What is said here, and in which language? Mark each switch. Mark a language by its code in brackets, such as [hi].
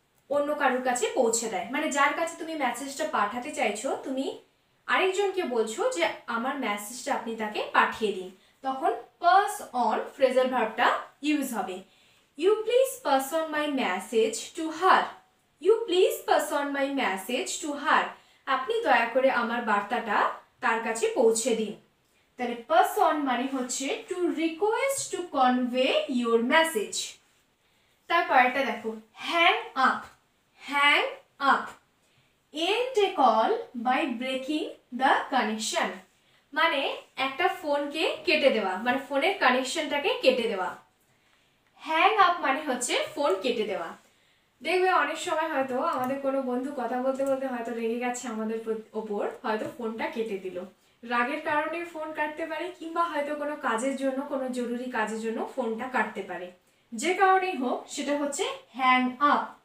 [bn] অন্য কারোর কাছে পৌঁছে দেয় মানে যার কাছে তুমি মেসেজটা পাঠাতে চাইছো তুমি আরেকজনকে বলছো যে আমার মেসেজটা আপনি তাকে পাঠিয়ে দিন তখন পাস অন ফ্রেজাল ভার্বটা ইউজ হবে [en] You please pass on my message to her. You please pass on my message to her. [bn] আপনি দয়া করে আমার বার্তাটা তার কাছে পৌঁছে দিন। তাহলে [en] pass on [bn] মানে হচ্ছে [en] to request to convey your message. [bn] তারপরেটা দেখো hang up. [en] Hang up. End a call by breaking the connection. [bn] মানে একটা ফোনকে কেটে দেওয়া মানে ফোনের কানেকশনটাকে কেটে দেওয়া হ্যাং আপ মানে হচ্ছে ফোন কেটে দেওয়া দেখবে অনেক সময় হয়তো আমাদের কোনো বন্ধু কথা বলতে বলতে হয়তো রেগে গেছে আমাদের ওপর হয়তো ফোনটা কেটে দিল রাগের কারণে ফোন কাটতে পারে কিংবা হয়তো কোনো কাজের জন্য কোনো জরুরি কাজের জন্য ফোনটা কাটতে পারে যে কারণেই হোক সেটা হচ্ছে হ্যাং আপ